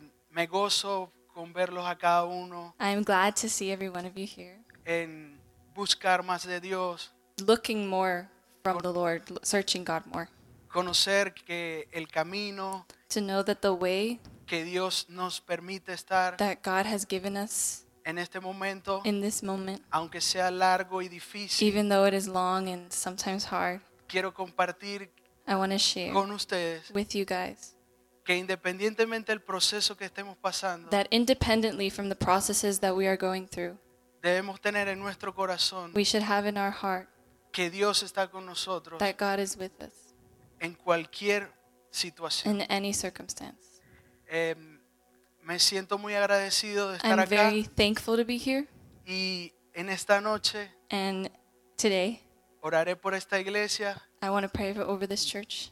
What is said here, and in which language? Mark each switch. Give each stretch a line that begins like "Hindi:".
Spanish: Me gozo con verlos a cada uno.
English: I'm glad to see every one of you here.
Spanish: En buscar más de Dios,
English: looking more from the Lord, searching God more,
Spanish: conocer que el camino,
English: to know that the way
Spanish: que Dios nos permite estar,
English: that God has given us
Spanish: en este momento,
English: in this moment,
Spanish: aunque sea largo y difícil,
English: even though it is long and sometimes hard,
Spanish: quiero compartir,
English: I want to share
Spanish: con ustedes,
English: with you guys,
Spanish: que independientemente del proceso que estemos pasando,
English: that independently from the processes that we are going through,
Spanish: debemos tener en nuestro corazón,
English: we should have in our heart,
Spanish: que Dios está con nosotros,
English: that God is with us,
Spanish: en cualquier situación,
English: in any circumstance.
Spanish: Me siento muy agradecido de estar
English: I'm
Spanish: acá.
English: I'm very thankful to be here.
Spanish: Y en esta noche,
English: and today,
Spanish: oraré por esta iglesia.
English: I want to pray for over this church.